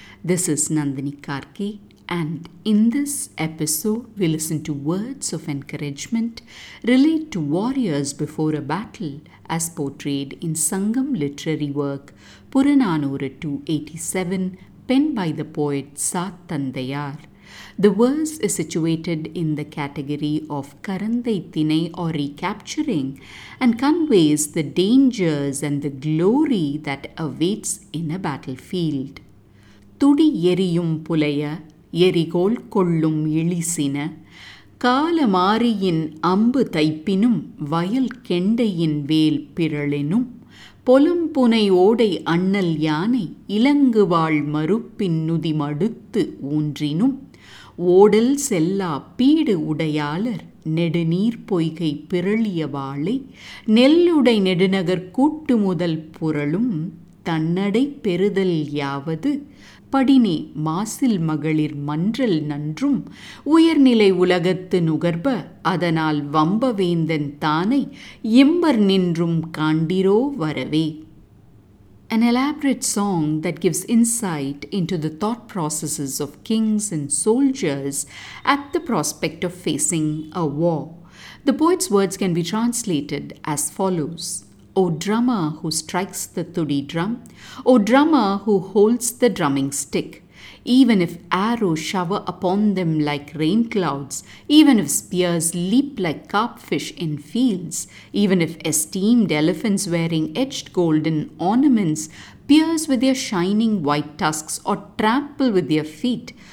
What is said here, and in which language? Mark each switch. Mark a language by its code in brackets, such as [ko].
[en] This is Nandini Karki, and in this episode we listen to words of encouragement relate to warriors before a battle as portrayed in Sangam literary work Puranaanooru 287 penned by the poet Saathanthaiyaar. The verse is situated in the category of Karanthai Thinai or Recapturing and conveys the dangers and the glory that awaits in a battlefield. [ta] Tudi yeriyum pulaya, yerigol kollum ilisina, kalamariyin ambu taipinum, vayal kendayin vel piralinum, polum punai odai annal yane, ilanguval maruppin nudi maduttu oondrinum, ஓடல் செல்லா bead உடையாளர் நெடுநீர் பொய்கை பிறளிய வாழை நெல்லுடை நெடுநகர் கூட்டு முதல் புரளும் தன்னடை பெறுதல் யாவது படினே மாசில் மகளிர் மன்றல் நன்றும் உயர்நிலை உலகத்து நுகர்ப அதனால் வம்பவேந்தன் தானை இம்பர் நின்றும் காண்டிரோ வரவே. [en] An elaborate song that gives insight into the thought processes of kings and soldiers at the prospect of facing a war. The poet's words can be translated as follows. O drummer who strikes the thudi drum, O drummer who holds the drumming stick, even if arrows shower upon them like rain clouds, even if spears leap like carpfish in fields, even if esteemed elephants wearing etched golden ornaments pierce with their shining white tusks or trample with their feet,